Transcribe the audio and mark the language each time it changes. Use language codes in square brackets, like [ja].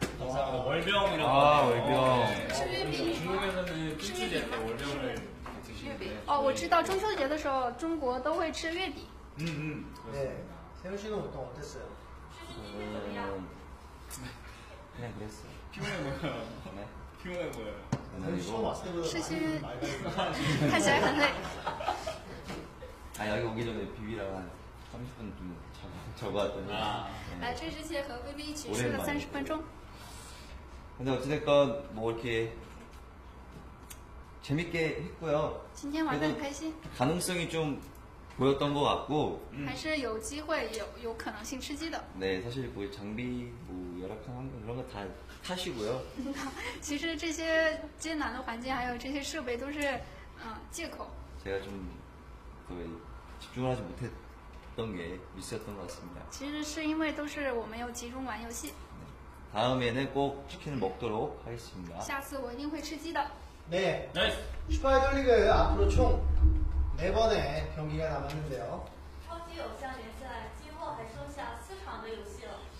[ko] 감사합니다월병이라고 아월병 중국에서는추추제때월병을드시는데 [zh] 어我知道中秋节的时候中国都会吃月饼嗯嗯 [ko] 네세훈씨는어땠어요 추추제는 그냥그랬어요 피곤해보여요 네 피곤해보여요 처음왔을때보다 사실 [zh] 看起来很累 [ko] 아여기오기전에비비랑한30분좀자고자고왔더니 아 [zh] 来这之前和 VV 一起睡了30分钟 [ko] 근데어찌됐건뭐이렇게재밌게했고요 [zh] 今天玩的很开心 [ko] 가능성이좀보였던것같고 [zh] 还是有机会有可能性吃鸡的 [ko] 네사실뭐장비뭐열악한환경이런거다하시고요 [zh] 其实这些艰难的环境还有这些设备都是借口 [ko] 제가좀그집중을하지못했던게미스였던것같습니다 [zh] 其实是因为都是我没有集中玩游戏 [ko] 다음에는꼭치킨을먹도록하겠습니다 [zh] 下次我一定会吃鸡的 [ko] 네 네 슈퍼아이돌리그앞으로총4번의경기가남았는데요 [zh] 超级偶像联赛今后还剩下4场的游戏了